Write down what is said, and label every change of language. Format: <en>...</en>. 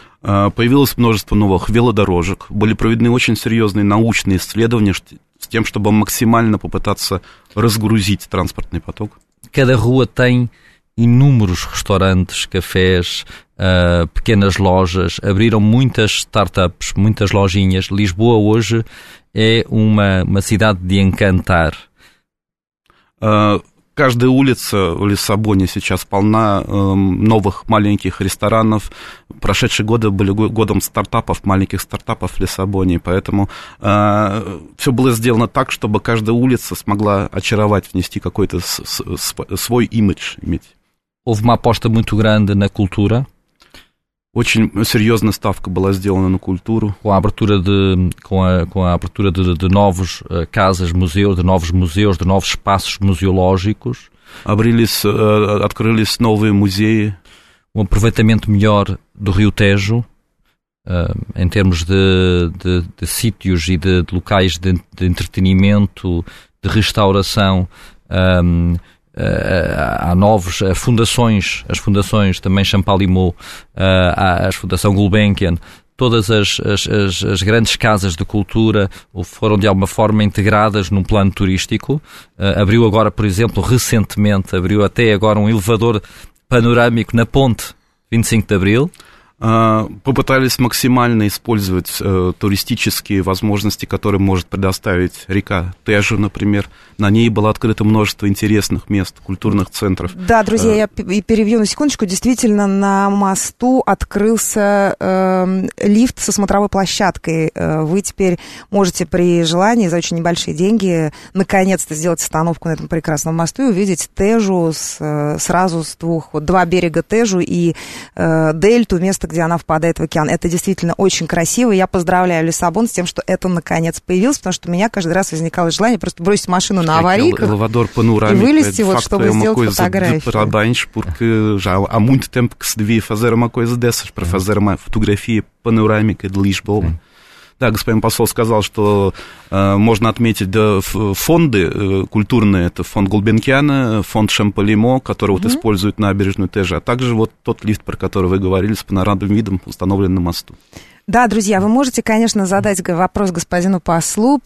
<ru>Появилось множество новых велодорожек, были проведены очень серьезные научные исследования с тем, чтобы максимально попытаться разгрузить транспортный поток.</ru> <pt>Cada rua tem inúmeros restaurantes, cafés, pequenas lojas, abriram muitas startups, muitas lojinhas. Lisboa hoje é uma cidade de encantar.</pt> <ru>Каждая улица в Лиссабоне сейчас полна новых маленьких ресторанов, прошедшие годы были годом стартапов, маленьких стартапов в Лиссабоне, поэтому все было сделано так, чтобы каждая улица смогла очаровать, внести какой-то свой имидж иметь.</ru> <pt>Houve uma aposta muito grande na cultura.</pt> <ru>Очень серьезная ставка была сделана на культуру.</ru> <pt>Com a abertura de novos casas, museus, de novos museus, de novos espaços museológicos.</pt> <ru>Открылись новые музеи.</ru> <pt>Um aproveitamento melhor do Rio Tejo, em termos de sítios e de locais de entretenimento, de restauração. Há novos, as fundações também Champalimau, a Fundação Gulbenkian, todas as grandes casas de cultura foram de alguma forma integradas num plano turístico. Abriu agora, por exemplo, recentemente, abriu até agora um elevador panorâmico na ponte 25 de Abril.</pt> <ru>Попытались максимально использовать туристические возможности, которые может предоставить река Тежу, например. На ней было открыто множество интересных мест, культурных центров. Да, друзья, я перевью на секундочку. Действительно, на мосту открылся лифт со смотровой площадкой. Вы теперь можете при желании за очень небольшие деньги наконец-то сделать остановку на этом прекрасном мосту и увидеть Тежу сразу с двух, вот, два берега Тежу и дельту, место, где она впадает в океан. Это действительно очень красиво. Я поздравляю Лиссабон с тем, что это наконец появилось, потому что у меня каждый раз возникало желание просто бросить машину на аварийках и вылезти, вот, чтобы сделать фотографию.</ru> <pt>Parabéns, porque já há muito tempo que se devia fazer uma coisa dessas, para fazer uma fotografia panorâmica de Lisboa.</pt> <ru>Да, господин посол сказал, что можно отметить, да, фонды культурные, это фонд Гулбенкиана, фонд Шампалимо, который вот использует набережную Тежа, а также вот тот лифт, про который вы говорили, с панорамным видом, установленный на мосту. Да, друзья, вы можете, конечно, задать вопрос господину послу.</ru>